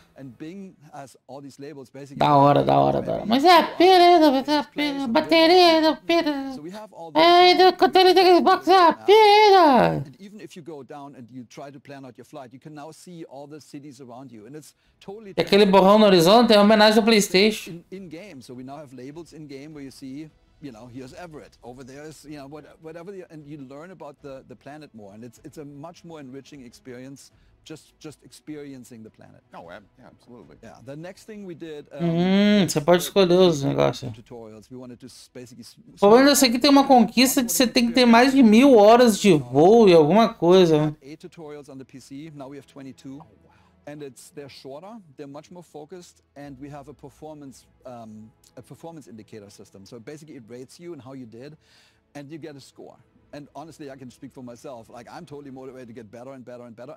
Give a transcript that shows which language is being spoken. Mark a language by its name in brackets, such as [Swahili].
[English] And Bing has all these labels basically. [Portuguese] Da hora. Mas é a pira, bateria da pira. [English] So we have all these. [Portuguese] Do container do Xbox é a pira. [English] And even if you go down and you try to plan out your flight, you can now see all the cities around you. And it's totally. [Portuguese] Aquele borrão no horizonte é homenagem ao PlayStation. [English] In game, so we now have labels in game where you see. You know, here's Everett, over there's, you know, whatever, and you learn about the planet more, and it's a much more enriching experience, just experiencing the planet. Oh, yeah, absolutely. Yeah, the next thing we did... [Portuguese] Você pode escolher os negócios. [English] Tutorials, we wanted to basically... [Portuguese] O problema desse aqui tem uma conquista que você tem que ter mais de 1000 horas de voo e alguma coisa. [English] We had 8 tutorials on the PC, now we have 22. And they're shorter, they're much more focused, and we have a performance indicator system. So basically it rates you and how you did, and you get a score. And honestly, I can speak for myself, like I'm totally motivated to get better and better and better.